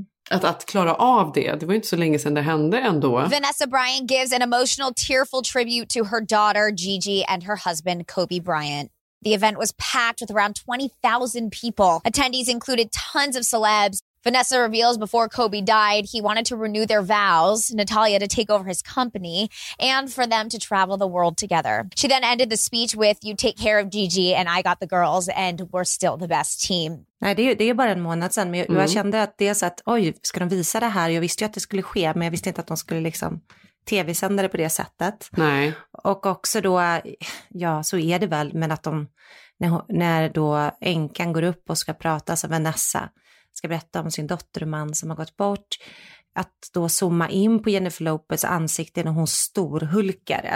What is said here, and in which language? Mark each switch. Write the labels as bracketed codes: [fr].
[sv] Att klara av det, det var ju inte så länge sedan det hände ändå. [en] Vanessa Bryant gives an emotional, tearful tribute to her daughter Gigi and her husband Kobe Bryant. The event was packed with around 20,000 people. Attendees included tons of celebs. Vanessa reveals before Kobe died, he wanted to renew their vows, Natalia to take over his company, and for them to travel the world together. She then ended the speech with, you take care of Gigi and I got the girls and we're still the best team. [sv] Nej, det är bara en månad sedan, men jag kände att det är så att, oj, ska de visa det här? Jag visste ju att det skulle ske, men jag visste inte att de skulle liksom tv-sändare på det sättet. Nej. Och också då, ja, så är det väl, men att de, när då änkan går upp och ska prata, så Vanessa ska berätta om sin dotter och man som har gått bort, att då zooma in på Jennifer Lopez ansikte när hon storhulkar.